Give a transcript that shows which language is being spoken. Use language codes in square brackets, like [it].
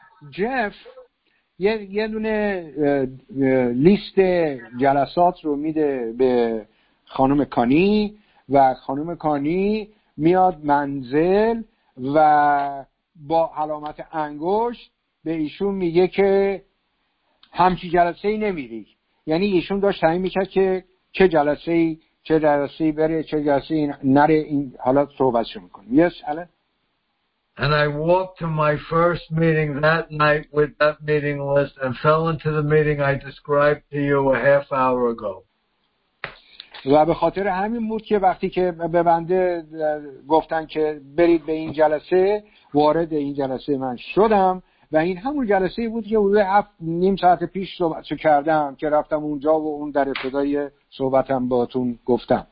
[fa] جف یه دونه لیست جلسات رو میده به خانم کانی و خانم کانی میاد منزل و با علامت انگشت به ایشون میگه که همچی جلسه ای نمیری. یعنی ایشون داشت تعیین میکرد که چه جلسه ای چه جلسه بره چه جلسه نره این حالا صحبت شو میکنیم. [en] Yes, Alan? And I walked to my first meeting that night with that meeting list and fell into the meeting I described to you a half hour ago. [fa] و به خاطر همین بود که وقتی که به بنده گفتن که برید به این جلسه وارد این جلسه من شدم و این همون جلسه بود که حدود 7.5 ساعت پیش صحبت کردم که رفتم اونجا و اون در ابتدای صحبتم باهاتون گفتم.